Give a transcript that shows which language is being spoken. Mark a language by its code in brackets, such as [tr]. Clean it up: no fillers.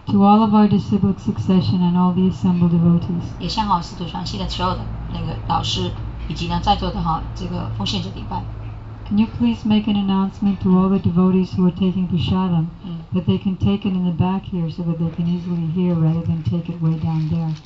[en] To all of our disciplic succession and all the assembled devotees. [zh] 也向好师徒传系的所有的那个导师以及呢在座的好这个奉献者顶拜。 [en] Can you please make an announcement to all the devotees who are taking prasadam、mm. that they can take it in the back here so that they can easily hear rather than take it way down there?